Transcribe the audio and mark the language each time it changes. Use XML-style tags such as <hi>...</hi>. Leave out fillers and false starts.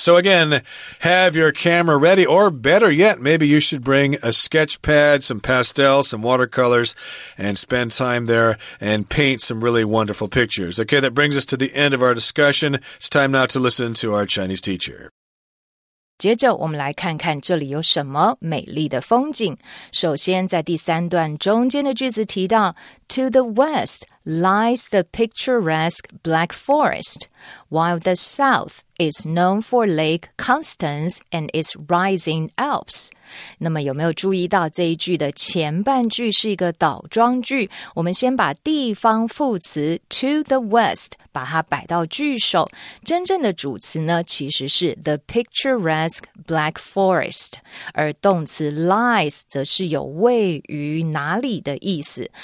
<en>So again, have your camera ready, or better yet, maybe you should bring a sketch pad, some pastels, some watercolors,and spend time there and paint some really wonderful pictures. Okay, that brings us to the end of our discussion. It's time now to listen to our Chinese teacher.</en> <zh>接着我们来看看这里有什么美丽的风景。首先在第三段中间的句子提到</zh> <en>To the west lies the picturesque Black Forest, while the south is known for Lake Constance and its rising Alps.</en> <zh>那么有没有注意到这一句的前半句是一个倒装句？我们先把地方副词</zh> <en>to the west</en> <zh>把它摆到句首，真正的主词呢其实是</zh> <en>the picturesque Black Forest，</en> <zh>而动词 lies 则是有位于哪里的意思。</zh>